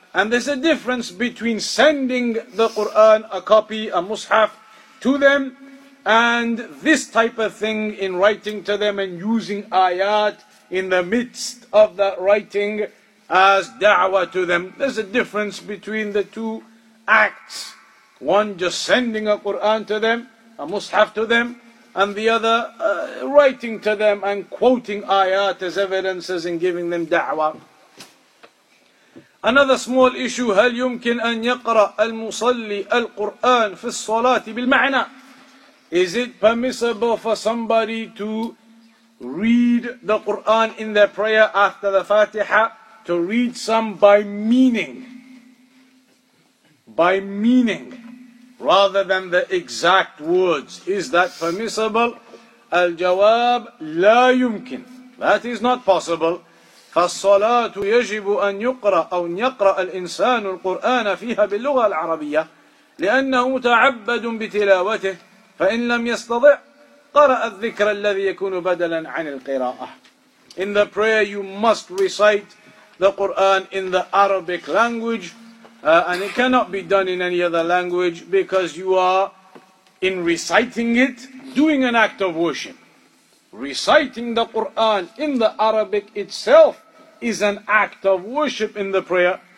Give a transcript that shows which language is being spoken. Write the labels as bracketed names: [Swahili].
[English] And there's a difference between sending the Qur'an, a copy, a mushaf, to them, and this type of thing in writing to them and using ayat in the midst of that writing as da'wah to them. There's a difference between the two acts. One, just sending a Qur'an to them, a mushaf to them, and the other, writing to them and quoting ayat as evidences and giving them da'wah. Another small issue, [Arabic] هل يمكن أن يقرأ المصلي القرآن في الصلاة بالمعنى؟ [English] Is it permissible for somebody to read the Quran in their prayer after the Fatiha, to read some by meaning, rather than the exact words? Is that permissible? [Arabic] Al-jawab, لا يمكن. [English] That is not possible. [Arabic] فالصلاة يجب أن يقرأ أو يقرأ الإنسان القرآن فيها باللغة العربية لأنه تعبد بتلاوته فإن لم يستطع قرأ الذكر الذي يكون بدلا عن القراءة. [English] In the prayer you must recite the Quran in the Arabic language and it cannot be done in any other language because you are in reciting it doing an act of worship. Reciting the Quran in the Arabic itself is an act of worship in the prayer.